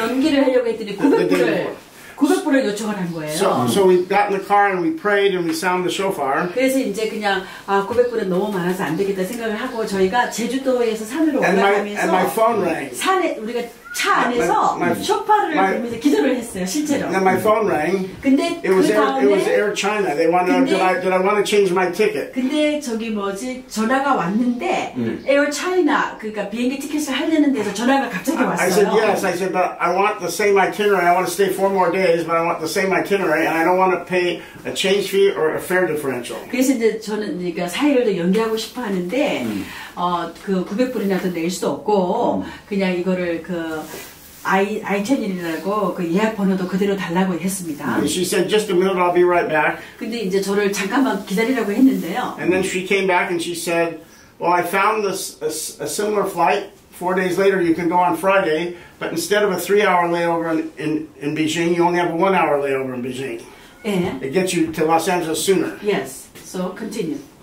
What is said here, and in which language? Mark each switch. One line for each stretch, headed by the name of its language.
Korean: 연기를 하려고 했더니 900불을 요청을 한 거예요.
English: So we got in the car and we prayed and we sound the shofar.
Korean: 그래서 이제 그냥 900불은 너무 많아서 안 되겠다 생각을 하고 저희가 제주도에서 산으로 올라가면서 산에 우리가 차 안에서 쇼파를 들면서 기도를 했어요. 실제로.
English: And my phone rang.
Korean: 근데
English: it was Air China. They wanted did I want to change my ticket?
Korean: 근데 저기 뭐지 전화가 왔는데 Air China 그러니까 비행기 티켓을 하려는 데서 전화가 갑자기 왔어요.
English: I said yes. I said but I want the same itinerary. I want to stay 4 more days, but I want the same itinerary, and I don't want to pay a change fee or a fare differential.
Korean: 그래서 이제 저는 그러니까 사일을 연기하고 싶어하는데. 900불이나 더 낼 수도 없고 그냥 이거를 그 아이천이라고 그 예약 번호도 그대로 달라고 했습니다.
English: She said just a minute, I'll be right back.
Korean: 근데 이제 저를 잠깐만 기다리라고 했는데요.
English: And then she came back and she said, "Well, I found this a similar flight. 4 days later, you can go on Friday, but instead of a 3-hour layover in Beijing, you only have a 1-hour layover in Beijing. It gets you to Los Angeles sooner." Yes. So continue.